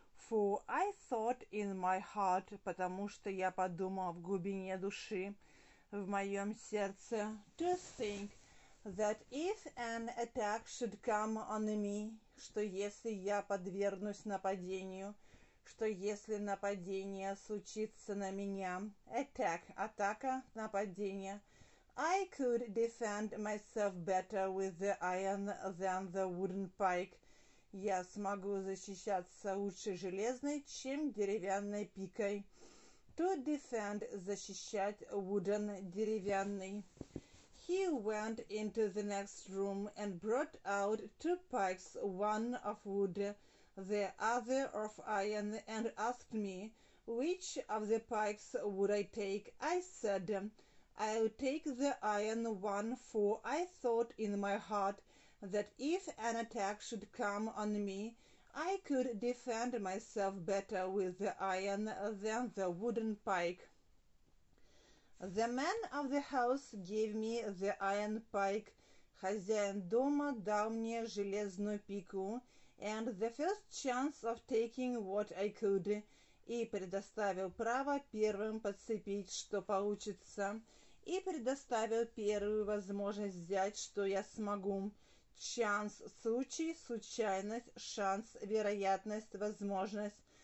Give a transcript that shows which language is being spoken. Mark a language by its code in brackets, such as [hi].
[en] For I thought in my heart, [ru] потому что я подумал в глубине души, в моем сердце, [en] to think that if an attack should come on me, [ru] что если я подвергнусь нападению, что если нападение случится на меня, [en] attack, [ru] атака, нападение, [en] I could defend myself better with the iron than the wooden pike. [ru] Я смогу защищаться лучше железной, чем деревянной пикой. To defend, защищать, wooden, деревянный. [en] He went into the next room and brought out two pikes, one of wood, the other of iron, and asked me, which of the pikes would I take? I said, I'll take the iron one, for I thought in my heart that if an attack should come on me, I could defend myself better with the iron than the wooden pike. The man of the house gave me the iron pike. [ru] Хозяин дома дал мне железную пику. [en] And the first chance of taking what I could. [ru] И предоставил право первым подцепить, что получится. И предоставил первую возможность взять, что я смогу. Chance – случай, случайность, шанс, вероятность, возможность.